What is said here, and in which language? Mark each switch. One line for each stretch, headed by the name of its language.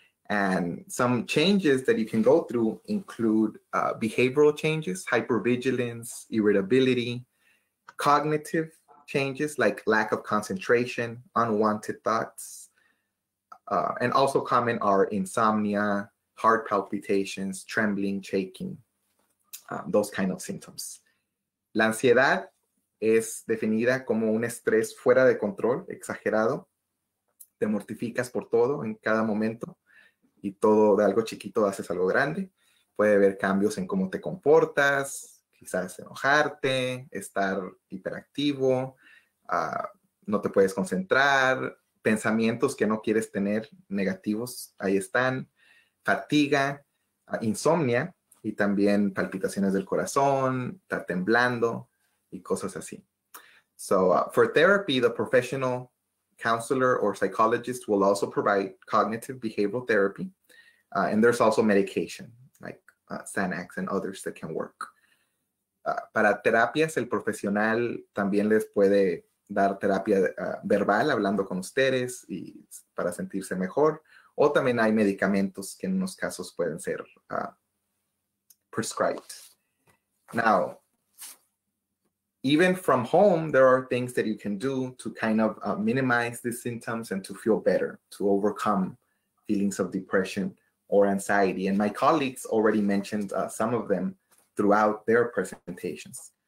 English: And some changes that you can go through include behavioral changes, hypervigilance, irritability, cognitive changes like lack of concentration, unwanted thoughts, and also common are insomnia, heart palpitations, trembling, shaking, those kind of symptoms.
Spanish: La ansiedad es definida como un estrés fuera de control, exagerado. Te mortificas por todo en cada momento y todo de algo chiquito haces algo grande. Puede haber cambios en cómo te comportas, quizás enojarte, estar hiperactivo, no te puedes concentrar, pensamientos que no quieres tener, negativos, ahí están, fatiga, insomnia, y también palpitaciones del corazón, estar temblando, y cosas así.
English: So for therapy, the professional counselor or psychologist will also provide cognitive behavioral therapy, and there's also medication, like Xanax and others that can work.
Spanish: Para terapias, el profesional también les puede dar terapia verbal, hablando con ustedes y para sentirse mejor. O también hay medicamentos que en unos casos pueden ser prescribed.
English: Now, even from home, there are things that you can do to kind of minimize these symptoms and to feel better, to overcome feelings of depression or anxiety. And my colleagues already mentioned some of them throughout their presentations.